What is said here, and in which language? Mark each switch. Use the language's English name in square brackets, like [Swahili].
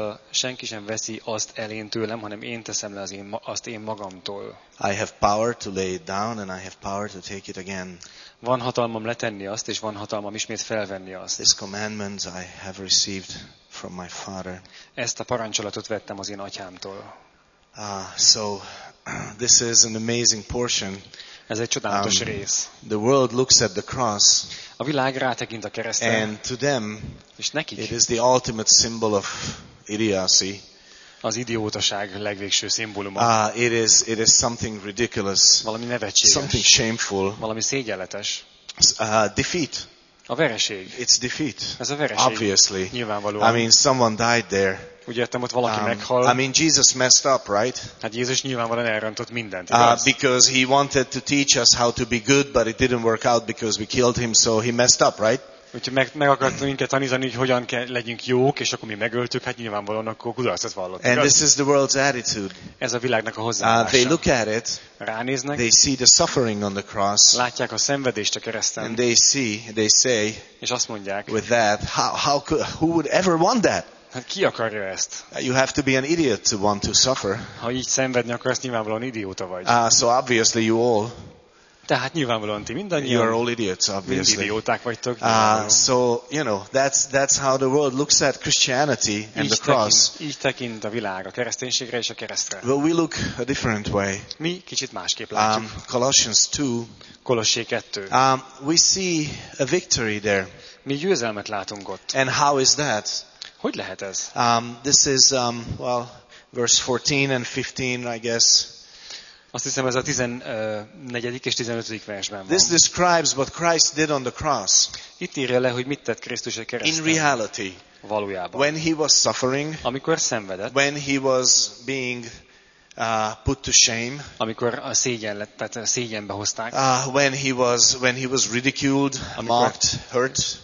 [Hungarian] Senki sem veszi azt el én tőlem, hanem én teszem le azt én magamtól. [English] I have power to lay it down, and I have power to take it again. [Hungarian] Van hatalmam letenni azt, és van hatalmam ismét felvenni azt. [English] This commandment I have received from my Father. [Hungarian] Ezt a parancsolatot vettem az én atyámtól. [English] So this is an amazing portion. [Hungarian] Ez egy csodálatos rész. [English] The world looks at the cross. [Hungarian] A világ rátekint a keresztre. [English] And to them, [Hungarian] és nekik, [English] it is the ultimate symbol of idiocy. [Hungarian] Az idiótaság legvégső szimbóluma. [English] It is something ridiculous. [Hungarian] Valami nevetséges. [English] Something shameful. [Hungarian] Valami szégyenletes. [English] Defeat. [Hungarian] A vereség. [English] It's defeat. [Hungarian] Ez a vereség. [English] Obviously. [Hungarian] Nyilvánvalóan. [English] I mean, someone died there. [Hungarian] Úgy értem, ott valaki meghal. [English] I mean, Jesus messed up, right? [Hungarian] Hát Jézus nyilvánvalóan elrontott mindent. [English] Because he wanted to teach us how to be good, but it didn't work out because we killed him, so he messed up, right? [Hungarian] Úgyhogy meg akartam minket tanítani, hogy hogyan kell legyünk jók, és akkor mi megöltük, hát nyilvánvalóan akkor kudarcot vallott. [English] And this is the world's attitude. [Hungarian] Ez a világnak a hozzáállása. [English] They look at it. [Hungarian] Ránéznek. [English] They see the suffering on the cross. [Hungarian] Látják a szenvedést a kereszten. [English] And they see, they say. [Hungarian] És azt mondják. [English] With that, how could, who would ever want that? [Hungarian] Hát ki akarja ezt? [English] You have to be an idiot to want to suffer. [Hungarian] Ha így szenvedni akarsz, nyilvánvalóan idióta vagy. [English] So obviously you all. [Hungarian] Tehát nyilvánvalóan ti mindannyian. [English] You are all idiots, obviously. [Hungarian] Mind idióták vagytok. [English] So, you know, that's how the world looks at Christianity and [Hungarian] így [English] the cross. [Hungarian] Így tekint a világ a kereszténységre és a keresztre. [English] But we look a different way. [Hungarian] Mi kicsit másképp látjuk. [English] Colossians 2. [Hungarian] Kolossé 2. [English] We see a victory there. [Hungarian] Mi győzelmet látunk ott. [English] And how is that? [Hungarian] Hogy lehet ez? [English] This is, well, verse 14 and 15, I guess. [Hungarian] Azt hiszem, ez a 14. és 15. versben van. [English] This describes what Christ did on the cross. [Hungarian] Itt írja le, hogy mit tett Krisztus a kereszten. [English] In reality, [Hungarian] valójában. [English] When he was suffering, [Hungarian] amikor szenvedett. [English] When he was being put to shame, [Hungarian] amikor a szégyen lett, tehát a szégyenbe hozták. [English] When he was ridiculed, mocked, hurt,